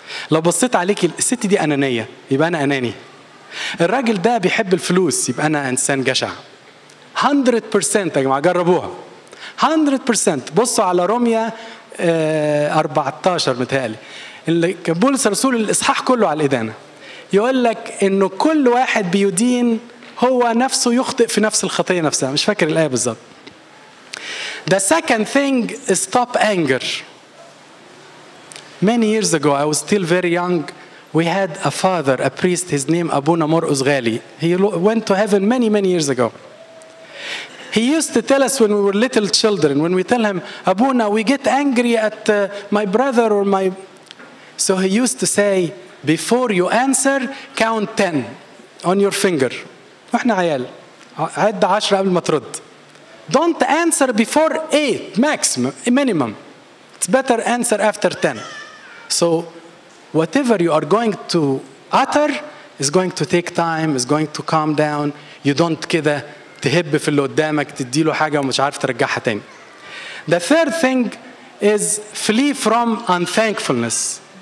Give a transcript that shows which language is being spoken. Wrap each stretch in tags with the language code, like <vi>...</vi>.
<ar>لو بصيت عليك الست دي أنانية يبقى أنا أناني، الراجل ده بيحب الفلوس يبقى أنا إنسان جشع 100%. يا جماعة جربوها 100%. بصوا على روميا 14 متهيألي اللي كان بولس رسول الإصحاح كله على الإدانة، يقول لك إنه كل واحد بيدين هو نفسه يخطئ في نفس الخطية نفسها. مش فاكر الآية بالظبط.</ar> <en>The second thing is stop anger. Many years ago I was still very young. We had a father, a priest, his name Abuna Morus Ghali. He went to heaven many, many years ago. He used to tell us when we were little children, when we tell him, Abuna, we get angry at my brother or my... So he used to say, before you answer, count 10 on your finger.</en> <ar>واحنا عيال. عد 10 قبل ما ترد.</ar> <en>Don't answer before 8, maximum, minimum. It's better answer after 10. So whatever you are going to utter is going to take time, is going to calm down. You don't</en> <ar>كده تهب في اللي قدامك تدي له حاجة ومش عارف ترجعها تاني.</ar> <en>The third thing is flee from unthankfulness.</en>